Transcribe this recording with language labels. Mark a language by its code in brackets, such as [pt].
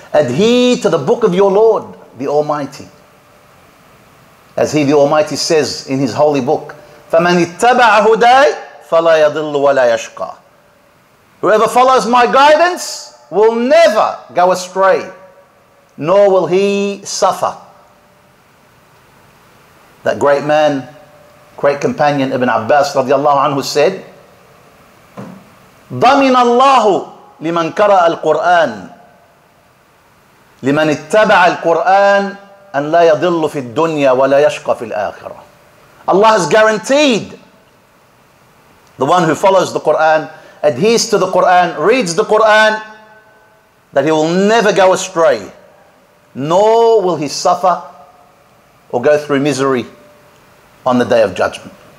[en] Adhere to the book of your Lord, the Almighty. As he, the Almighty, says in his holy book, [ar] فَمَنِ اتَّبَعَ هُدَيْ فَلَا يَضِلُّ وَلَا يَشْقَى. [en] Whoever follows my guidance will never go astray, nor will he suffer. That great man, great companion Ibn Abbas radiallahu anhu said, [ar] ضَمِنَ اللَّهُ لِمَنْ كَرَأَ الْقُرْآنِ لِمَنْ اتَّبَعَ الْقُرْآنِ أَنْ لَا يَضِلُّ فِي الدُّنْيَا وَلَا يَشْقَ فِي الْآخِرَةِ. [en] Allah has guaranteed the one who follows the Qur'an, adheres to the Qur'an, reads the Qur'an, that he will never go astray, nor will he suffer or go through misery on the Day of Judgment.